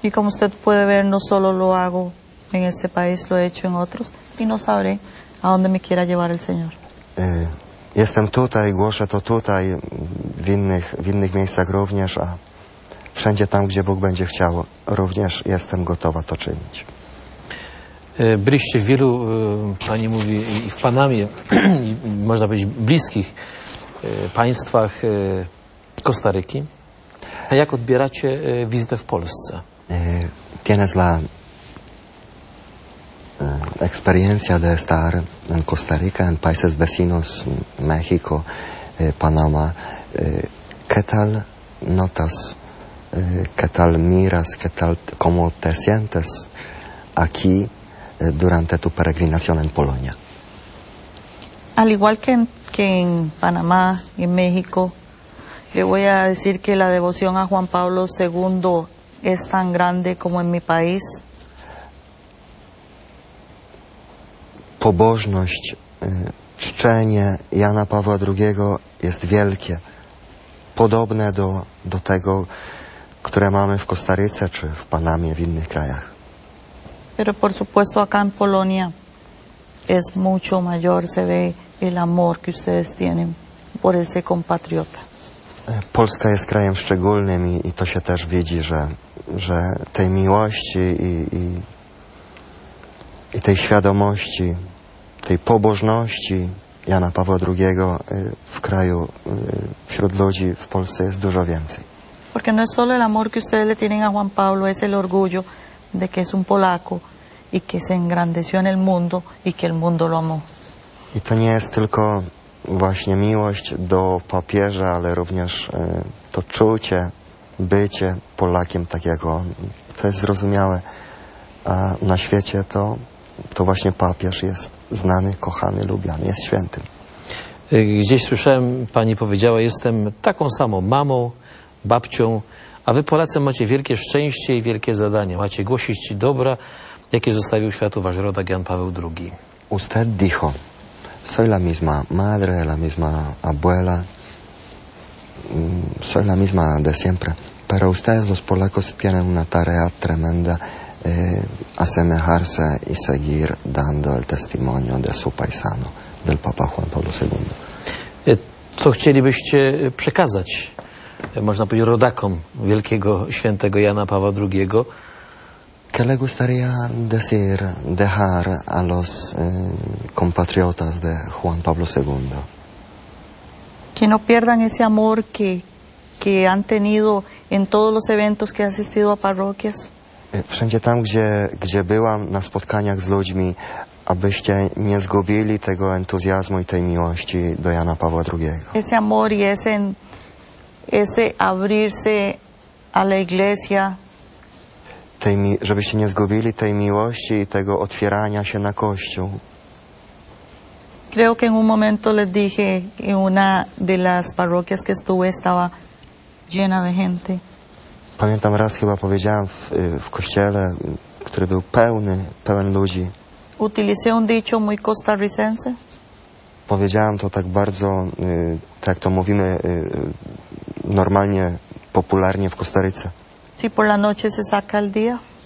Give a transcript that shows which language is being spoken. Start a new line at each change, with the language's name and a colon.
Spanish: Y como usted puede ver, no solo lo hago en este país, lo he hecho en otros. Y no sabré a dónde me quiera llevar el Señor.
Polish: jestem tutaj, głoszę to tutaj, w innych miejscach również, a wszędzie tam, gdzie Bóg będzie chciał, również jestem gotowa to czynić. Byliście w wielu, pani mówi, i w Panamie, i można powiedzieć, bliskich państwach Kostaryki. A jak odbieracie wizytę w Polsce?
Spanish: Tienes la experiencia de estar en Costa Rica, en países vecinos, México, Panamá. ¿Qué tal notas? ¿Qué tal miras? ¿Qué tal, cómo te sientes aquí durante tu peregrinación en Polonia? Al igual que en Panamá y en México, le voy a decir que la devoción a Juan Pablo II es tan grande como en mi país.
Polish: Pobożność, czczenie Jana Pawła II jest wielkie, podobne do tego, które mamy w Kostaryce czy w Panamie, w innych krajach.
Spanish: Pero por supuesto acá en Polonia es mucho mayor, se ve el amor que ustedes tienen por ese compatriota.
Polish: Polska jest krajem szczególnym i to się też widzi, że tej miłości i tej świadomości, tej pobożności Jana Pawła II w kraju, wśród ludzi w Polsce jest dużo więcej.
Spanish: Porque no es solo el amor que ustedes le tienen a Juan Pablo, es el orgullo de que es un polaco y que se engrandeció en el mundo y que el mundo lo amó.
Polish: I to nie jest tylko właśnie miłość do papieża, ale również to czucie, bycie Polakiem tak jak on. To jest zrozumiałe. A na świecie to właśnie papież jest znany, kochany, lubiany, jest świętym. Gdzieś słyszałem, pani powiedziała, jestem taką samą mamą, babcią, a wy Polacy macie wielkie szczęście i wielkie zadanie. Macie głosić dobra, jakie zostawił światu wasz rodak Jan Paweł II.
Spanish: Usted dijo, soy la misma madre, la misma abuela, soy la misma de siempre, pero ustedes los polacos tienen una tarea tremenda, asemejarse y seguir dando el testimonio de su paisano, del Papa Juan Pablo II.
Polish: Co chcielibyście przekazać, można powiedzieć, rodakom wielkiego świętego Jana Pawła II?
Spanish: ¿Qué le gustaría decir, dejar a los compatriotas de Juan Pablo II? Que no pierdan ese amor que han tenido en todos los eventos que ha asistido a parroquias.
Polish: Wszędzie tam, gdzie byłam, na spotkaniach z ludźmi, abyście nie zgubili tego entuzjazmu i tej miłości do Jana Pawła II.
Spanish: Ese amor y ese abrirse a la iglesia.
Polish: Żebyście nie zgubili tej miłości i tego otwierania się na Kościół.
Spanish: Creo que en un momento les dije que una de las parroquias que estuve estaba llena de gente.
Polish: Pamiętam raz, chyba powiedziałem w kościele, który był pełen ludzi.
Spanish: Utilicé un dicho muy costarricense.
Polish: Powiedziałem to tak bardzo, tak jak to mówimy normalnie, popularnie w Kostaryce.
Spanish: Si por la noche se saca el día.